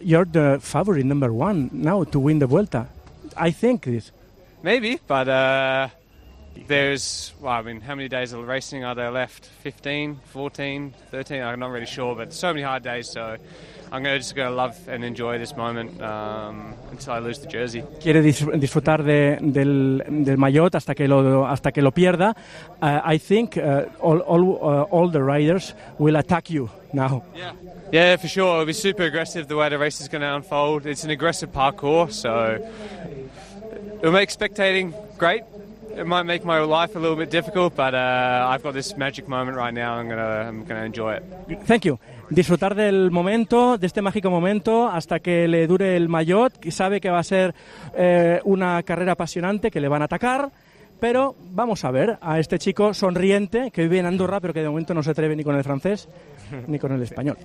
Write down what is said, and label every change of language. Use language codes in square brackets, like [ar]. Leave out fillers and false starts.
[en] You're the favorite number one now to win the Vuelta. I think this. Maybe, but there's... Well, I mean, how many days of racing are there left? 15, 14, 13? I'm not really sure, but so many hard days, so... I'm going to love and enjoy this moment until I lose the jersey. [es] Quiere disfrutar del maillot hasta que lo pierda. [en] I think all the riders will attack you now. Yeah, for sure. It'll be super aggressive the way the race is going to unfold. It's an aggressive parkour, so it'll make spectating great. It might make my life a little bit difficult, but I've got this magic moment right now. I'm going to enjoy it. Thank you. [es] Disfrutar del momento, de este mágico momento, hasta que le dure el maillot. Sabe que va a ser una carrera apasionante, que le van a atacar, pero vamos a ver a este chico sonriente que vive en Andorra, pero que de momento no se atreve ni con el francés ni con el español.